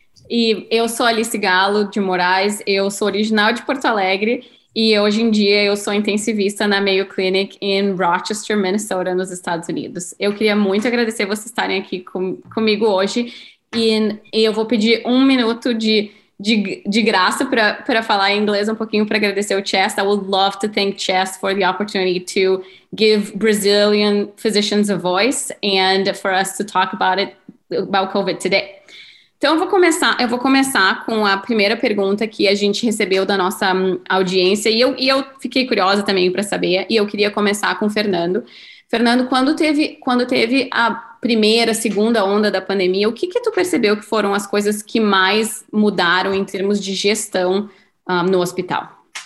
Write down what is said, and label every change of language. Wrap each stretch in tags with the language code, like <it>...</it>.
<pt>E eu sou Alice Galo de Moraes, eu sou original de Porto Alegre e hoje em dia eu sou intensivista na Mayo Clinic em Rochester, Minnesota, nos Estados Unidos. Eu queria muito agradecer vocês estarem aqui comigo hoje e eu vou pedir 1 minuto de graça para falar em inglês um pouquinho para agradecer o Chest.</pt> <en>I would love to thank Chest for the opportunity to give Brazilian physicians a voice and for us to talk about COVID today.</en> <pt>Então, eu vou começar com a primeira pergunta que a gente recebeu da nossa audiência, e eu fiquei curiosa também para saber, e eu queria começar com o Fernando. Fernando, quando teve a primeira, segunda onda da pandemia, o que que tu percebeu que foram as coisas que mais mudaram em termos de gestão, no hospital?</pt>